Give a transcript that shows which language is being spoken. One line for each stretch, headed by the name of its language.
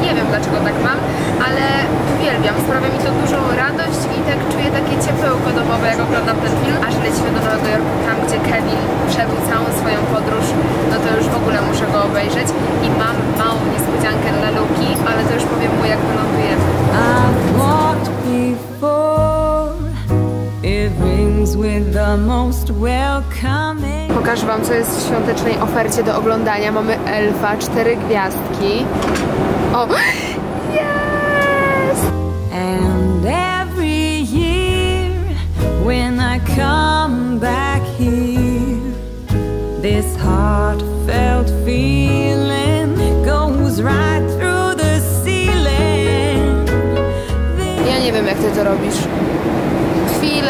Polish: Nie wiem, dlaczego tak mam, ale uwielbiam. Sprawia mi to dużą radość i tak czuję takie ciepełko domowe, jak oglądam ten film. Aż lecimy do Nowego Jorku, tam gdzie Kevin przebył całą swoją podróż, no to już w ogóle muszę go obejrzeć. I mam małą niespodziankę dla Luki, ale to już powiem mu, jak wylądujemy.
English: I've walked before, it rings with the most welcoming.
Polish: Pokażę wam, co jest w świątecznej ofercie do oglądania. Mamy Elfa, 4 gwiazdki. O!
English: Yes! And every year when I come back here, this heartfelt feeling goes right through the ceiling.
Polish: Ja nie wiem, jak ty to robisz. Chwilę.